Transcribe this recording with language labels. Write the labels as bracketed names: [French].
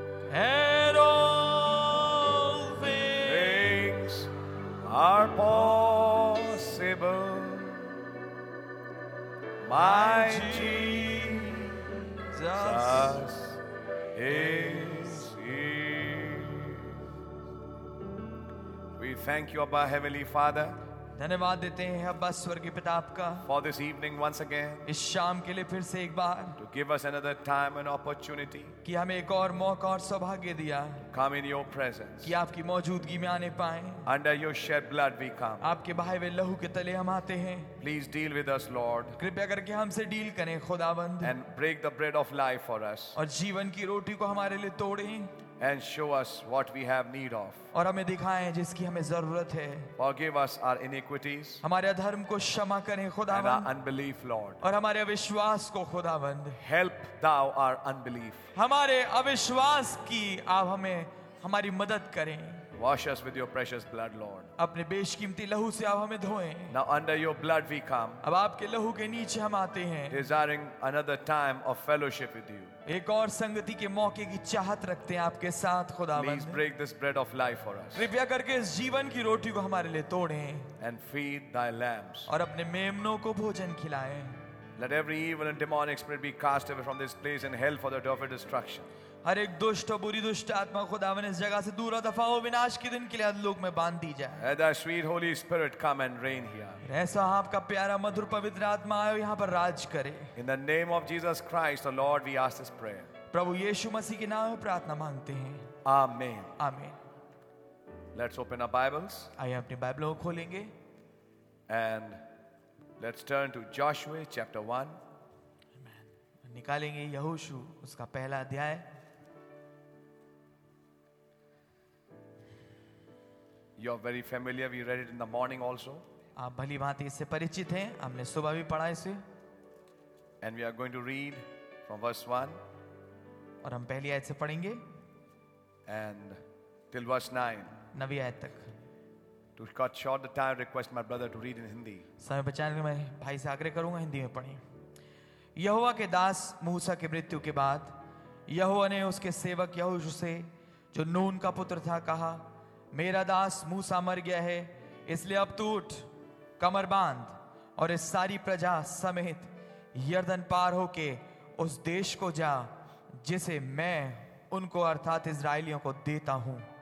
[English] And all things are possible. My Jesus is here. We thank you, Abba, Heavenly Father. [Hindi] धन्यवाद देते हैं अब्बा स्वर्गीय पिता आपका. [English] For this evening once again. [Hindi] इस शाम के लिए फिर से एक बार. [English] To give us another time and opportunity. [Hindi] कि हमें एक और मौका और सौभाग्य दिया. [English] Come in your presence. [Hindi] कि आपकी मौजूदगी में आने पाएं. [English] Under your shed blood we come. [Hindi] आपके बहाए हुए लहू के तले हम आते हैं. [English] Please deal with us, Lord. [Hindi] कृपया करके हमसे डील करें खुदावंद. [English] And break the bread of life for us. [Hindi] और जीवन की रोटी को हमारे लिए तोड़ें. [English] And show us what we have need of. [Hindi] और हमें दिखाएं जिसकी हमें जरूरत है. [English] Forgive us our iniquities. [Hindi] हमारे अधर्म को क्षमा करें खुदावंद. [English] And our unbelief, Lord. [Hindi] और हमारे अविश्वास को खुदावंद. [English] Help thou our unbelief. [Hindi] हमारे अविश्वास की आप हमें हमारी मदद करें. [English] Wash us with your precious blood, Lord. [Hindi] अपने बेशकीमती लहू से आप हमें धोएं. [English] Now under your blood we come. [Hindi] अब आपके लहू के नीचे हम आते हैं. [English] Desiring another time of fellowship with you. [Hindi] एक और संगति के मौके की चाहत रखते हैं आपके साथ खुदावंद. [English] Please break this bread of life for us. [Hindi] कृपया करके इस जीवन की रोटी को हमारे लिए तोड़ें. [English] And feed thy lambs. [Hindi] और अपने मेमनों को भोजन खिलाएं. [English] Let every evil and demonic spirit be cast away from this place in hell for the day of destruction. [Hindi] हर एक दुष्ट और बुरी दुष्ट आत्मा खुदावन इस जगह से दूर दफा हो विनाश के दिन के लिए अधोलोक में बांध दी जाए [English] Let the sweet Holy Spirit come and reign here. [Hindi] ऐसा आपका प्यारा मधुर पवित्र आत्मा आए यहाँ पर राज करे [English] In the name of Jesus Christ, the Lord, we ask this prayer. [Hindi] प्रभु यीशु मसीह के नाम में प्रार्थना मांगते हैं [English] Amen. Amen. Let's open our Bibles. [Hindi] आइए अपने बाइबल को खोलेंगे [English] And let's turn to Joshua chapter 1. Amen. [Hindi] निकालेंगे यहोशु उसका पहला अध्याय [English] You're very familiar. We read it in the morning also. [Hindi] आप भली भांति इससे परिचित हैं. हमने सुबह भी पढ़ा इसे. [English] And we are going to read from verse 1. [Hindi] और हम पहली आयत से पढ़ेंगे. [English] And till verse 9. [Hindi] नवी आयत तक. [English] To cut short the time, request my brother to read in Hindi. [Hindi] समय बचाने के लिए भाई से आग्रह करूंगा हिंदी में पढ़ें. यहोवा के दास मूसा की मृत्यु के बाद यहोवा ने उसके सेवक यहोशू से जो नून का पुत्र था कहा मेरा दास मूसा मर गया है इसलिए अब तू उठ कमर बांध और इस सारी प्रजा समेत यर्दन पार होके उस देश को जा जिसे मैं उनको अर्थात इसराइलियों को देता हूं